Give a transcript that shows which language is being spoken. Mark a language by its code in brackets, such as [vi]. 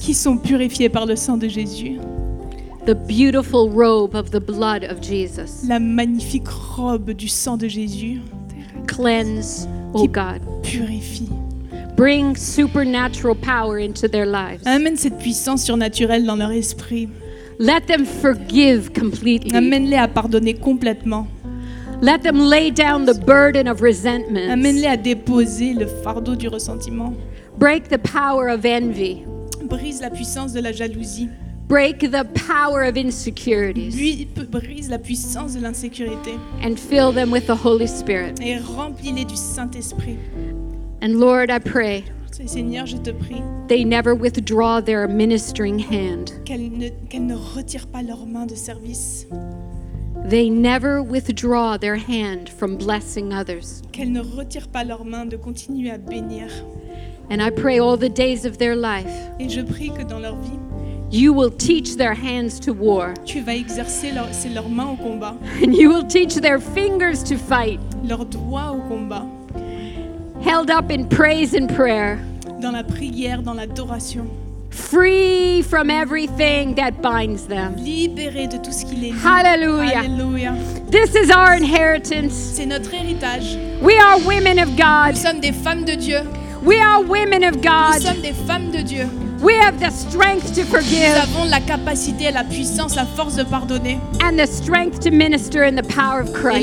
[fr] Qui sont purifiées par le sang de Jésus. [en] The beautiful robe of the blood of Jesus. [fr] La magnifique robe du sang de Jésus. [en] Cleanse, oh God. [fr] Purifie. [en] Bring supernatural power into their lives. [fr] Amène cette puissance surnaturelle dans leur esprit. [en] Let them forgive completely. [fr] Amène-les à pardonner complètement. [en] Let them lay down the burden of resentment. [fr] Amène-les à déposer le fardeau du ressentiment. [en] Break the power of envy. [fr] Brise la puissance de la jalousie. [en] Break the power of insecurities. [fr] Brise la puissance de l'insécurité. [en] And fill them with the Holy Spirit. [fr] Et remplis-les du Saint-Esprit. [en] And Lord, I pray. [fr] Seigneur, je te prie. [en] They never withdraw their ministering hand. [fr] Qu'elles ne retirent pas leur main de service. [en] They never withdraw their hand from blessing others. [fr] Qu'elles ne retirent pas leur main de continuer à bénir. [en] And I pray all the days of their life. [fr] Et je prie que dans leur vie, [en] you will teach their hands to war. [fr] Tu vas exercer leurs mains au combat. [en] And you will teach their fingers to fight. [fr] Leurs doigts au combat. [en] Held up in praise and prayer. [fr] Dans la prière, dans l'adoration. [en] Free from everything that binds them. [fr] Libérés de tout ce qui les lie. [en] Hallelujah. [fr] Hallelujah. [en] This is our inheritance. [fr] C'est notre héritage. [en] We are women of God. [fr] Nous sommes des femmes de Dieu. [en] We are women of God. [fr] Nous sommes des femmes de Dieu. [en] We have the strength to forgive. [fr] Nous avons la capacité, la puissance, la force de pardonner. [en] And the strength to minister in the power of Christ.